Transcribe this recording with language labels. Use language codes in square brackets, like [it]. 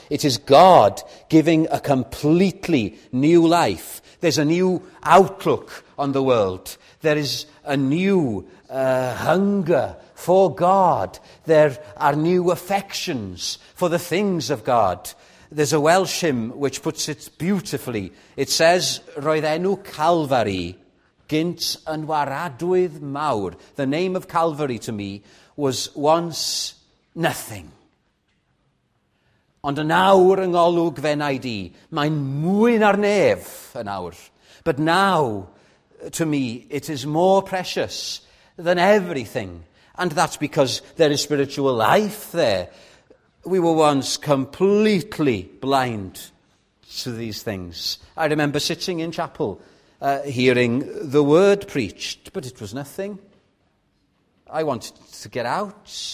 [en] It is God giving a completely new life. There's a new outlook on the world. There is a new hunger for God. There are new affections for the things of God. There's a Welsh hymn which puts it beautifully. It says, [cy] Roedd enw Calvary gynt yn waradwydd mawr. [en] The name of Calvary to me was once nothing. [cy] Ond yn awr yng ngolwg fe wnaid i, mae'n mwy na'r nef yn awr. [en] But now, to me, it is more precious than everything. And that's because there is spiritual life there. We were once completely blind to these things. I remember sitting in chapel, hearing the word preached, but it was nothing. I wanted to get out.